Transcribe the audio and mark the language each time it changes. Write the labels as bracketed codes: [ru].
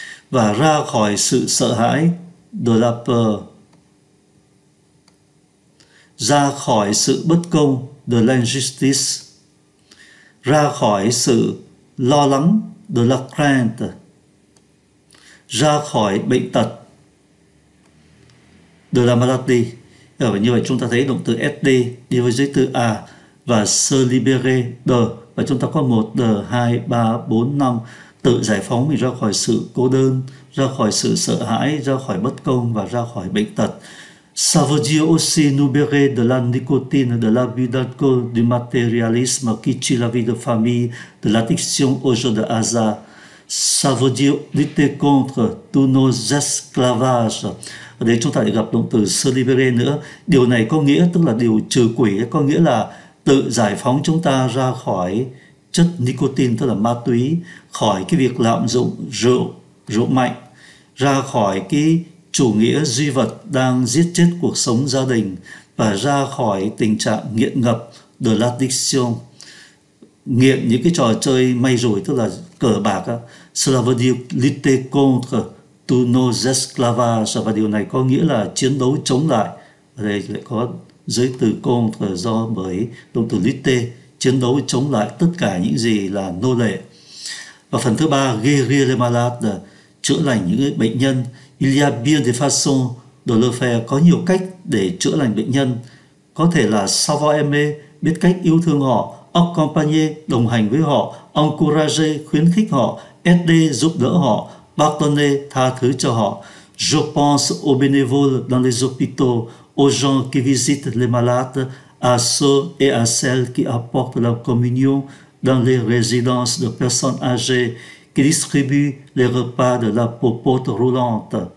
[vi] và ra khỏi sự sợ hãi, [fr] de la peur, [vi] ra khỏi sự bất công, [fr] de l'injustice, [vi] ra khỏi sự lo lắng, [fr] de la crainte, [vi] ra khỏi bệnh tật, [fr] de la maladie. [vi] Ừ, như vậy chúng ta thấy động từ SD đi với giới từ A và se libérer de, và chúng ta có 1, de, 2, 3, 4, 5, tự giải phóng mình ra khỏi sự cô đơn, ra khỏi sự sợ hãi, ra khỏi bất công và ra khỏi bệnh tật. [fr] Savoir aussi nous libérer de la nicotine, de la vie d'alcool, du matérialisme qui tue la vie de famille, de l'addiction au jeu de hasard. Savoir dire lutter contre tous nos esclavages. [vi] Ở đây chúng ta lại gặp động từ se libérer nữa. Điều này có nghĩa tức là điều trừ quỷ, có nghĩa là tự giải phóng chúng ta ra khỏi chất nicotine tức là ma túy, khỏi cái việc lạm dụng rượu, rượu mạnh, ra khỏi cái chủ nghĩa duy vật đang giết chết cuộc sống gia đình và ra khỏi tình trạng nghiện ngập, de l'addiction, nghiện những cái trò chơi may rủi tức là cờ bạc á. [fr] Cela veut dire lutter contre tous nos esclavages, [vi] và điều này có nghĩa là chiến đấu chống lại. Ở đây lại có giới từ contre do bởi động từ lutter, chiến đấu chống lại tất cả những gì là nô lệ. Và phần thứ ba, [fr] guérir les malades, [vi] chữa lành những bệnh nhân. [fr] Il y a bien des façons de le faire, [vi] có nhiều cách để chữa lành bệnh nhân. Có thể là savoir aimer, biết cách yêu thương họ, accompagner, đồng hành với họ, encourager, khuyến khích họ, aider, giúp đỡ họ, pardonner, tha thứ cho họ. [fr] Je pense aux bénévoles dans les hôpitaux, aux gens qui visitent les malades, à ceux et à celles qui apportent la communion dans les résidences de personnes âgées, qui distribuent les repas de la popote roulante.